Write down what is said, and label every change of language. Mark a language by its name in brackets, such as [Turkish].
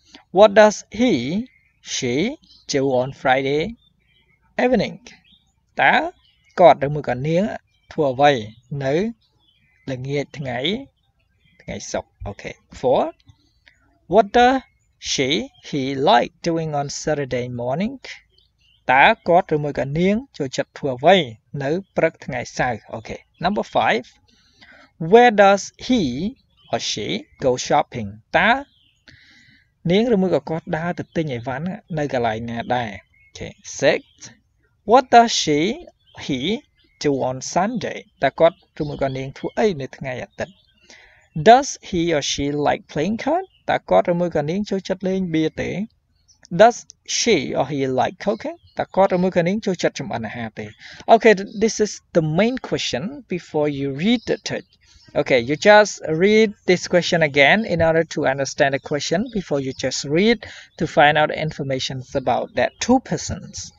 [English] What does he, she do on Friday evening? [Khmer] តើគាត់ឬមួយក៏នាងធ្វើអ្វីនៅល្ងាចថ្ងៃថ្ងៃសុក្រ? [English] Okay. 4. What does she, he like doing on Saturday morning? [Khmer] តើគាត់ឬមួយក៏នាងចូលចិត្តធ្វើអ្វីនៅព្រឹកថ្ងៃសៅរ៍? Okay. [English] Number 5. Where does he or she go shopping? [Khmer] តើនាងឬមួយក៏គាត់ដើរទៅទិញអីវ៉ាន់នៅកន្លែងណាដែរ? [English] Okay. 6. What does she, he do on Sunday? [Khmer] តើគាត់ឬមួយក៏នាងធ្វើអីនៅថ្ងៃអាទិត្យ? [English] Does he or she like playing cards? [Khmer] តើគាត់ឬមួយក៏នាងចូលចិត្តលេងបៀទេ? [English] Does she or he like cooking? [Khmer] តើគាត់ឬមួយក៏នាងចូលចិត្តចម្អិនអាហារទេ? [English] Okay, this is the main question before you read the text. Okay, you just read this question again in order to understand the question before you just read to find out information about that two persons.